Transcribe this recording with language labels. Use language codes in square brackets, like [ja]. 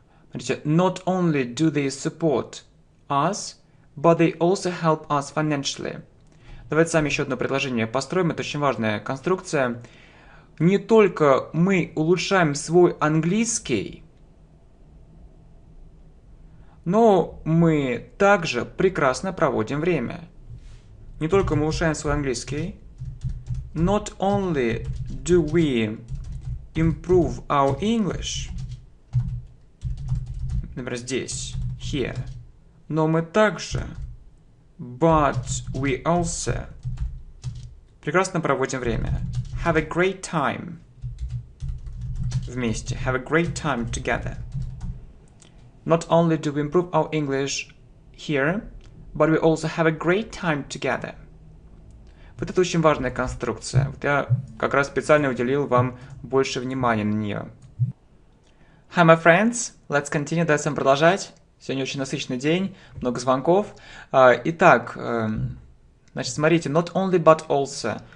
[ru] Смотрите, [en] not only do they support us, but they also help us financially. [ru] Давайте сами еще одно предложение построим, это очень важная конструкция. Не только мы улучшаем свой английский, но мы также прекрасно проводим время. Не только мы улучшаем свой английский. [en] Not only do we improve our English, [ru] например, здесь, [en] here, [ru] но мы также, [en] but we also, [ru] прекрасно проводим время, [en] have a great time [ru] вместе, [en] have a great time together. Not only do we improve our English here, but we also have a great time together. [ru] Вот это очень важная конструкция. Вот я как раз специально уделил вам больше внимания на нее. [en] Hi, my friends. Let's continue. [ru] Давайте сам продолжать. Сегодня очень насыщенный день, много звонков. Итак, значит, смотрите, [en] not only but also.